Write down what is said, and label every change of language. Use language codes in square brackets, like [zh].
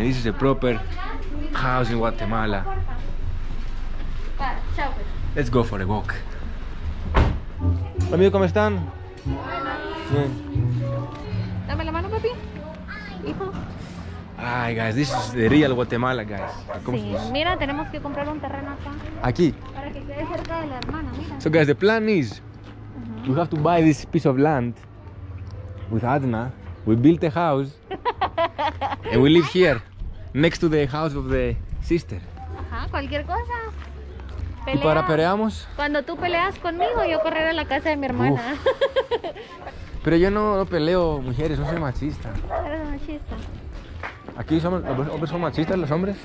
[en] This is a proper house in Guatemala. Let's go for a walk. [es] Amigo, ¿cómo están? Bien. Dame la mano, papi. Hijo. [en] Ay, guys, this is the real Guatemala, guys. [es] ¿Cómo sí, mira, tenemos que comprar un terreno acá. Aquí. Para que quede cerca de la hermana, mira. [en] So, guys, the plan is, we have to buy this piece of land with Adna. We built a house and we live here, next to the house of the sister. [es] Ajá, cualquier cosa. ¿Y para peleamos? Cuando tú peleas conmigo, yo correré a la casa de mi hermana. Pero yo no peleo mujeres, no soy machista. Eres machista. ¿Aquí somos, los hombres son machistas, los hombres?